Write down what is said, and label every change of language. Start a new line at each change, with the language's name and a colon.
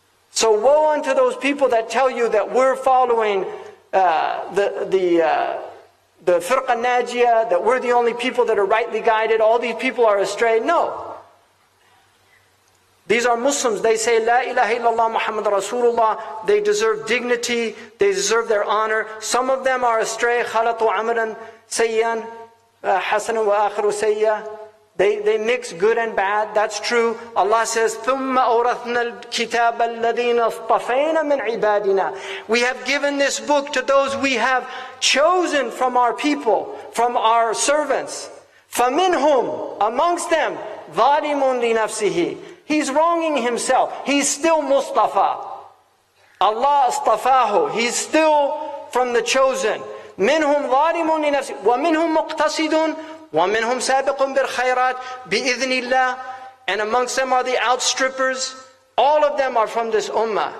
English: So woe unto those people that tell you that we're following the Firqa Najiyah, that we're the only people that are rightly guided, all these people are astray. No. These are Muslims. They say, La ilaha illallah Muhammad Rasulullah. They deserve dignity. They deserve their honor. Some of them are astray.
Arabic: خَلَطُوا عَمَلًا سَيِّئًا حَسَنًا وَآخِرُ سَيِّئًا.
English: They mix good and bad. That's true. Allah says,
Arabic: ثُمَّ أَوْرَثْنَا الْكِتَابَ الَّذِينَ اصْطَفَيْنَا مِنْ عِبَادِنَا.
English: We have given this book to those we have chosen from our people, from our servants.
Arabic: فَمِنْهُمْ,
English: amongst them,
Arabic: ظَالِمٌ لِنَفْسِهِ.
English: He's wronging himself. He's still Mustafa. Allah اصطفاهُ. He's still from the chosen.
Arabic: مِنْهُمْ ظَالِمٌ لِنَفْسِهِ وَمِنْهُمْ مُقْتَصِدٌ وَمِنْهُمْ سَابِقٌ بِالْخَيْرَاتِ بِإِذْنِ اللَّهِ.
English: And amongst them are the outstrippers. All of them are from this ummah.